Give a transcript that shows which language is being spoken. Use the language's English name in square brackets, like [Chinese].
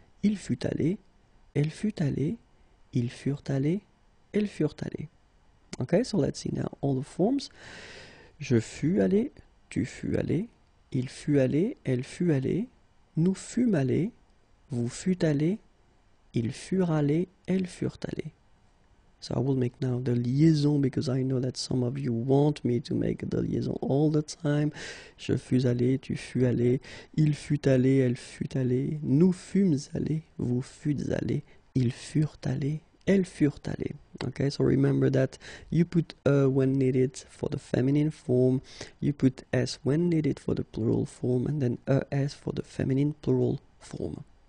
[French] Il fut allé, elle fut allée, ils furent allés, elles furent allées. [English] Okay, so let's see now all the forms. [French] Je fus allé, tu fus allé, il fut allé, elle fut allée, nous fûmes allés, vous fûtes allés, ils furent allés, elles furent allées. [English] So I will make now the liaison because I know that some of you want me to make the liaison all the time. [French] Je fus allé, tu fus allé, il fut allé, elle fut allée, nous fûmes allés, vous fûtes allés, ils furent allés, elles furent allées. [English] Okay, so remember that you put e when needed for the feminine form, you put s when needed for the plural form, and then es for the feminine plural form.